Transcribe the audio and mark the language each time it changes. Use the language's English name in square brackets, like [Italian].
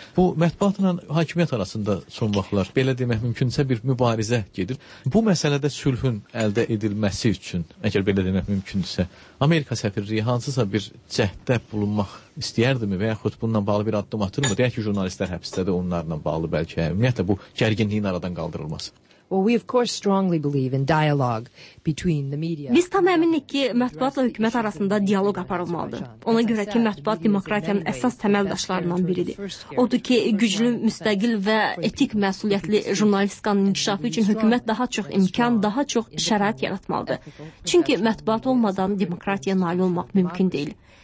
[Azerbaijani] Bu mətbuatla hakimiyyət arasında son vaxtlar, belə demək mümkünsə, bir mübarizə gedir. Bu məsələdə sülhün əldə edilməsi üçün, əgər belə demək mümkünsə, Amerika səfirliyi hansısa bir cəhddə bulunmaq istəyərdimi və yaxud bununla bağlı bir addım atırmı? Deyək ki, jurnalistlər həbsdədir onlarla bağlı bəlkə, ümumiyyətlə bu gərginliyin aradan qaldırılması. [English] Well, we of course strongly believe in dialogue between the media. [Azerbaijani] Biz tam əminik ki, mətbuatla hökumət arasında dialoq aparılmalıdır. Ona görə ki, mətbuat demokratiyanın əsas təməl daşlarından biridir. Odur ki, güclü, müstəqil və etik məsuliyyətli jurnalistikanın inkişafı üçün hökumət daha çox imkan, daha çox şərait yaratmalıdır. Çünki mətbuat olmadan demokratiya nail olmaq mümkün deyil.